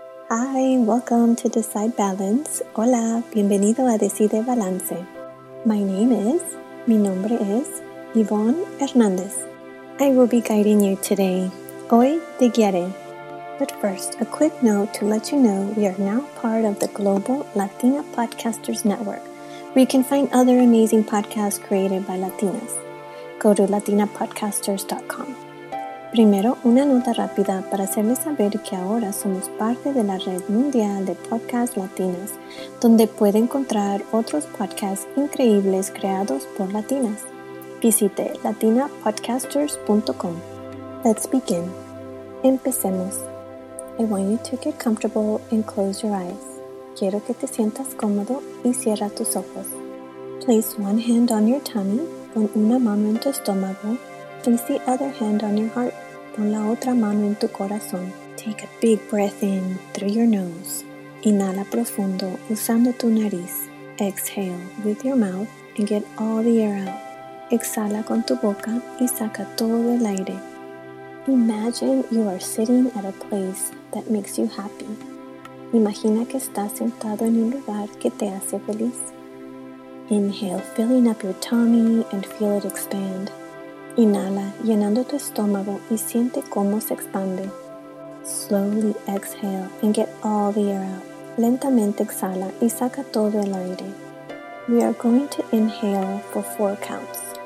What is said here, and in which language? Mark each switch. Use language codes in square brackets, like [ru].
[en] Hi, welcome to Decide Balance. [es] Hola, bienvenido a Decide Balance. Mi nombre es Yvonne Hernandez. [en] I will be guiding you today. [es] Hoy te guiaré. [en] But first, a quick note to let you know we are now part of the Global Latina Podcasters Network, where you can find other amazing podcasts created by Latinas. Go to latinapodcasters.com. [es] Primero, una nota rápida para hacerles saber que ahora somos parte de la red mundial de podcasts latinas, donde puede encontrar otros podcasts increíbles creados por latinas. Visite latinapodcasters.com. [en] Let's begin. [es] Empecemos. [en] I want you to get comfortable and close your eyes. [es] Quiero que te sientas cómodo y cierra tus ojos. [en] Place one hand on your tummy, [es] pon una mano en tu estómago. [en] Place the other hand on your heart, [es] pon la otra mano en tu corazón. [en] Take a big breath in through your nose. [es] Inhala profundo usando tu nariz. [en] Exhale with your mouth and get all the air out. [es] Exhala con tu boca y saca todo el aire. [en] Imagine you are sitting at a place that makes you happy. [es] Imagina que estás sentado en un lugar que te hace feliz. [en] Inhale, filling up your tummy and feel it expand. [es] Inhala, llenando tu estómago y siente cómo se expande. [en] Slowly exhale and get all the air out. [es] Lentamente exhala y saca todo el aire. [en] We are going to inhale for 4 counts.